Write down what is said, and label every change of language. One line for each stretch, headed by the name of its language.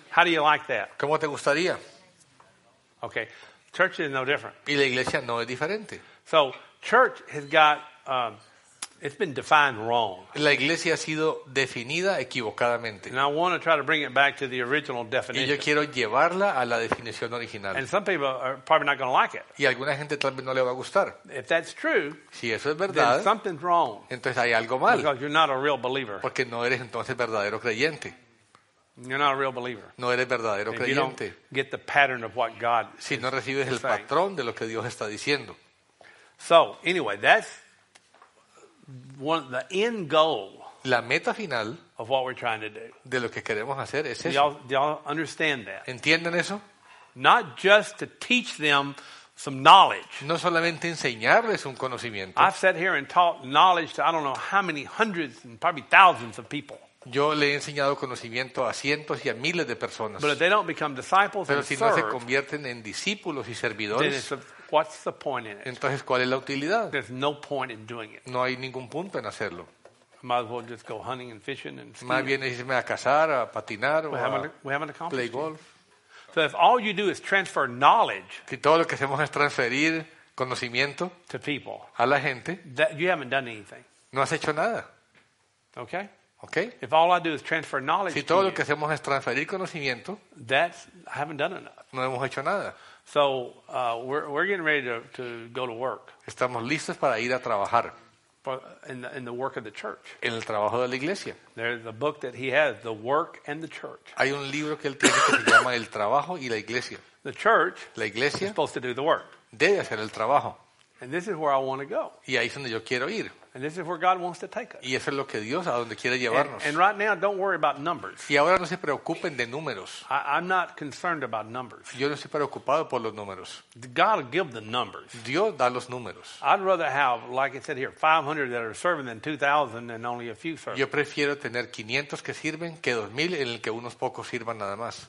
English: How do you like that?
Spanish: ¿Cómo te gustaría?
English: Okay. Church is no different.
Spanish: Y la iglesia no es diferente.
English: So, church has got it's been defined wrong.
Spanish: La iglesia ha sido definida equivocadamente.
English: And I want to try to bring it back to the original definition.
Spanish: Y yo quiero llevarla a la definición original.
English: And some people are probably not going to like it.
Spanish: Y alguna gente tal vez no le va a gustar.
English: If that's true,
Spanish: si eso es verdad,
English: then something's wrong.
Spanish: Entonces hay algo mal.
English: Because you're not a real believer.
Spanish: Porque no eres entonces verdadero creyente.
English: You're not a real believer.
Spanish: No eres verdadero creyente.
English: You don't get the pattern of what God is saying.
Spanish: Si no recibes el patrón de lo que Dios está diciendo.
English: So, anyway, that's one, the end goal,
Spanish: la meta final
English: of what we're trying to do,
Spanish: de lo que queremos hacer es
English: eso. Y'all understand that?
Spanish: ¿Entienden eso?
English: Not just to teach them some knowledge.
Spanish: No solamente enseñarles un conocimiento.
English: I've sat here and taught knowledge to I don't know how many hundreds and probably thousands of people.
Spanish: Yo le he enseñado conocimiento a cientos y a miles de personas.
English: But if they don't become disciples,
Spanish: pero
English: and
Spanish: si
English: serve,
Spanish: no se convierten en discípulos y servidores,
English: what's the point in it?
Spanish: Entonces, ¿cuál es la utilidad?
English: There's no point in doing it.
Spanish: No hay ningún punto en hacerlo.
English: Might as well just go hunting and fishing and skiing.
Spanish: Más bien irme a cazar, a patinar,
English: we
Spanish: o
English: haven't,
Spanish: a
English: we haven't accomplished play golf. So if all you do is transfer knowledge,
Spanish: si todo lo que hacemos es transferir conocimiento
English: to people,
Spanish: a la gente,
English: that you haven't done anything.
Spanish: No has hecho nada.
English: Okay. Okay. If all I do is transfer knowledge,
Spanish: si todo
English: to
Spanish: lo que hacemos es transferir conocimiento,
English: that's I haven't done enough.
Spanish: No hemos hecho nada.
English: So we're getting ready to go to work.
Spanish: Estamos listos para ir a trabajar.
English: In the work of the church.
Spanish: En el trabajo de la iglesia.
English: There's a book that he has, The Work and the Church.
Spanish: Hay un libro que él tiene que se llama El Trabajo y la Iglesia.
English: The church,
Spanish: la iglesia,
English: is supposed to do the work.
Spanish: Debe hacer el trabajo.
English: And this is where I want to go.
Spanish: Y ahí es donde yo quiero ir.
English: And this is where God wants to take us.
Spanish: Y eso es lo que Dios a donde quiere llevarnos.
English: And right now, don't worry about numbers.
Spanish: Y ahora no se preocupen de números.
English: I'm not concerned about numbers.
Spanish: Yo no estoy preocupado por los números.
English: God will give the numbers.
Spanish: Dios da los números.
English: I'd rather have, like I said here, 500 that are serving than 2,000 and only a few serving.
Spanish: Yo prefiero tener 500 que sirven que 2,000 en el que unos pocos sirvan nada más.